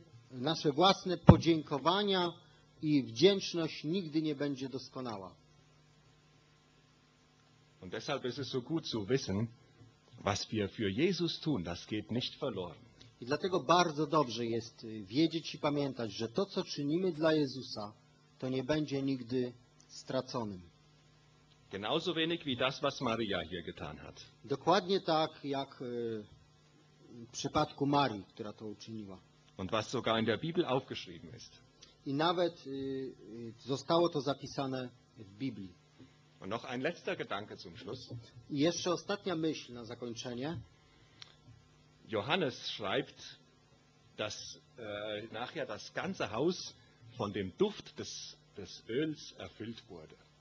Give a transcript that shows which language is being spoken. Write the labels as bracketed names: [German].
[Polish] Nasze własne podziękowania i wdzięczność nigdy nie będzie doskonała. [German] Und deshalb ist es so gut zu wissen, was wir für Jesus tun, das geht nicht verloren. [Polish] I dlatego bardzo dobrze jest wiedzieć i pamiętać, że to, co czynimy dla Jezusa, to nie będzie nigdy straconym. [German] Genauso wenig wie das, was Maria hier getan hat. [Polish] Dokładnie tak, jak w przypadku Marii, która to uczyniła. [German] Und was sogar in der Bibel aufgeschrieben ist. [Polish] I nawet zostało to zapisane w Biblii. [German] Und noch ein letzter Gedanke zum Schluss. [Polish] I jeszcze ostatnia myśl na zakończenie. [German] Johannes schreibt, dass nachher das ganze Haus von dem Duft des Öls erfüllt wurde.